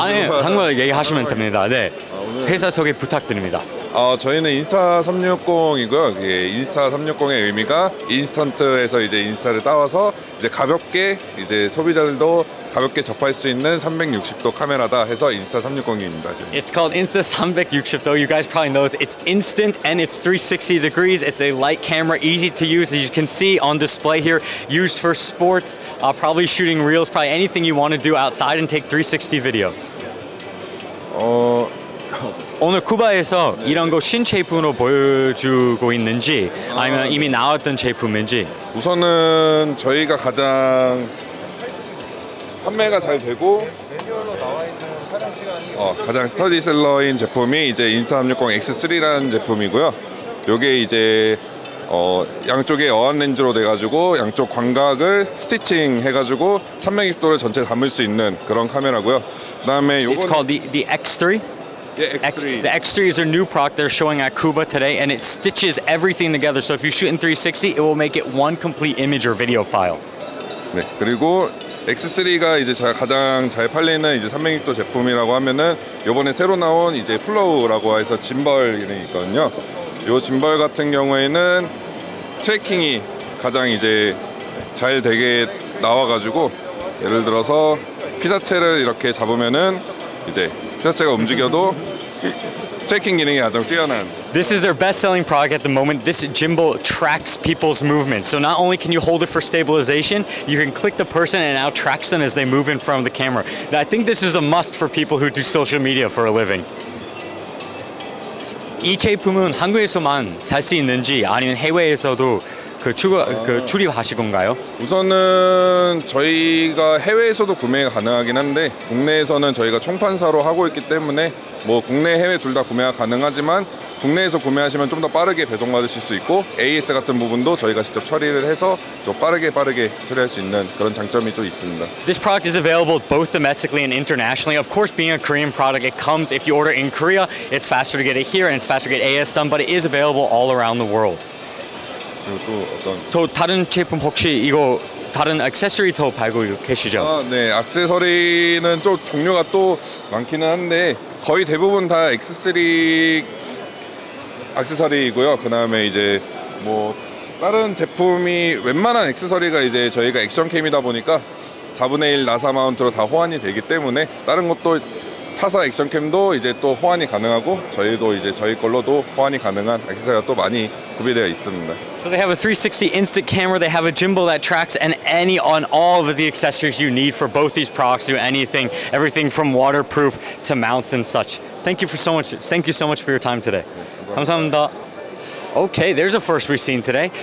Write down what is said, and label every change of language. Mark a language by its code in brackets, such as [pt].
[ko] 아니, 한국어 얘기하시면 됩니다. 네. 회사 소개 부탁드립니다. 저희는 인스타 360이고요. 예, 인스타 360의 의미가 인스턴트에서 이제 인스타를 따와서 이제 가볍게 이제 소비자들도 가볍게 접할 수 있는 360도 카메라다 해서 인스타 360입니다. 지금. [en] It's called Insta 360. You guys probably know it's instant and it's 360 degrees. It's a light camera, easy to use. As you can see on display here, used for sports, probably shooting reels, probably anything you want to do outside and take 360 video. [ko] 오늘 쿠바에서 네. 이런 거 신제품으로 보여주고 있는지 아니면 네. 이미 나왔던 제품인지 우선은 저희가 가장 판매가 잘 되고 가장 스터디셀러인 제품이 이제 인스타360X3라는 제품이고요. 요게 이제 양쪽에 어안렌즈로 돼가지고 양쪽 광각을 스티칭 해가지고 360도를 전체 담을 수 있는 그런 카메라고요. 그 다음에 요거 [en] It's called the X3? Yeah, X3. The X3 is a new product they're showing at Cuba today, and it stitches everything together. So if you shoot in 360, it will make it one complete image or video file. [ko] 네, 그리고 X3가 이제 가장 잘 팔리는 이제 360도 제품이라고 하면은 이번에 새로 나온 이제 플로우라고 해서 짐벌이 있거든요. 이 짐벌 같은 경우에는 트래킹이 가장 이제 잘 되게 나와가지고 예를 들어서 피사체를 이렇게 잡으면은 이제 피사체가 움직여도 트래킹 기능이 아주 뛰어난 [en] This is their best-selling product at the moment. This gimbal tracks people's movement. So not only can you hold it for stabilization, you can click the person and now tracks them as they move in front of the camera. Now, I think this is a must for people who do social media for a living. [ko] 이 제품은 한국에서만 살 수 있는지 아니면 해외에서도 출입하실 건가요? 우선은 저희가 해외에서도 구매가 가능하긴 한데 국내에서는 저희가 총판사로 하고 있기 때문에 뭐 국내 해외 둘 다 구매가 가능하지만 국내에서 구매하시면 좀 더 빠르게 배송받으실 수 있고 AS 같은 부분도 저희가 직접 처리를 해서 좀 빠르게 처리할 수 있는 그런 장점이 또 있습니다. [en] This product is available both domestically and internationally. Of course, being a Korean product, it comes if you order in Korea, it's faster to get it here and it's faster to get AS done, but it is available all around the world. [ko] 그리고 또 어떤 또 다른 제품 혹시 이거 다른 액세서리 더 팔고 계시죠? 네, 액세서리는 좀 종류가 또 많기는 한데 거의 대부분 다 X3 액세서리이고요. 그다음에 이제 뭐 다른 제품이 웬만한 액세서리가 이제 저희가 액션캠이다 보니까 4분의 1 나사 마운트로 다 호환이 되기 때문에 다른 것도 타사 액션캠도 이제 또 호환이 가능하고 저희도 이제 저희 걸로도 호환이 가능한 액세서리가 또 많이 구비되어 있습니다. [en] So they have a 360 instant camera, they have a gimbal that tracks and any on all of the accessories you need for both these products to anything, everything from waterproof to mounts and such. Thank you so much for your time today. [ko] 감사합니다. [en] Okay, there's a first we've seen today.